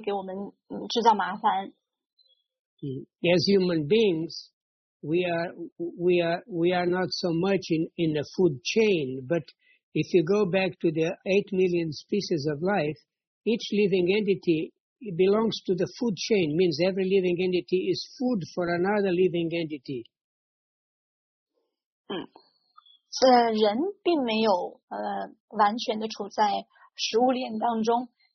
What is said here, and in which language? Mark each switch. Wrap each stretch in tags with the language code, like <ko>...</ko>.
<zh>因为总有一些生物体会给我们制造麻烦。</zh> <en>As human beings, we are not so much in the food chain, but if you go back to the 8 million species of life, each living entity belongs to the food chain, means every living entity is food for another living entity.</en> <zh>人并没有完全的处在食物链当中。</zh>